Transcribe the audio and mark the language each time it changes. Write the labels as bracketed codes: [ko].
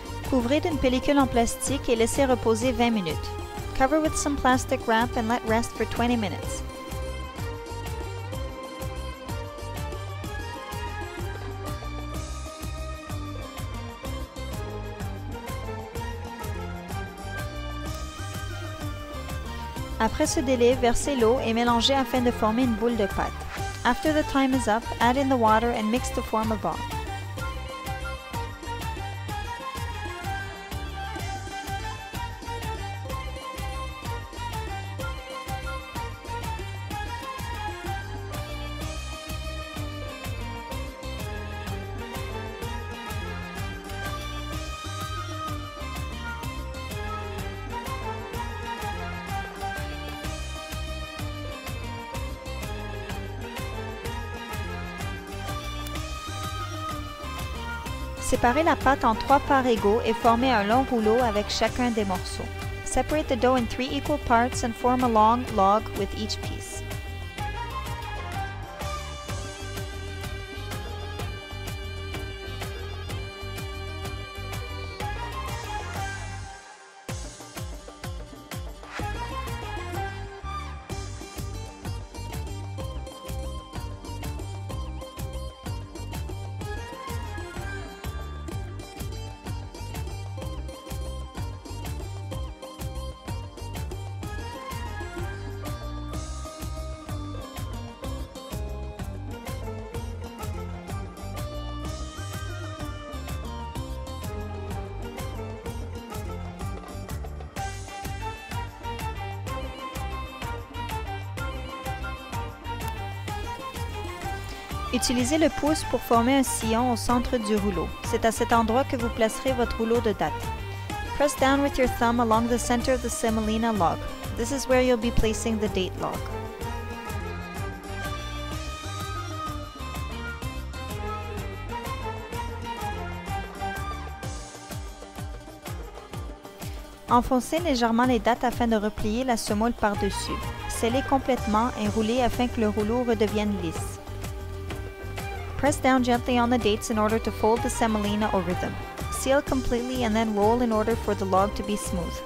[fr] Couvrez d'une pellicule en plastique et laissez reposer 20 minutes. [en] Cover with some plastic wrap and let rest for 20 minutes. [fr] Après ce délai, versez l'eau et mélangez afin de former une boule de pâte. [en] After the time is up, add in the water and mix to form a ball. [fr] Séparez la pâte en trois parts égaux et formez un long rouleau avec chacun des morceaux. [en] Separate the dough in three equal parts and form a long log with each piece. [fr] Utilisez le pouce pour former un sillon au centre du rouleau. C'est à cet endroit que vous placerez votre rouleau de date. [en] Press down with your thumb along the center of the semolina log. This is where you'll be placing the date log. [fr] Enfoncez légèrement les dates afin de replier la semoule par-dessus. Scellez complètement et roulez afin que le rouleau redevienne lisse. [en] Press down gently on the dates in order to fold the semolina over them. Seal completely and then roll in order for the log to be smooth.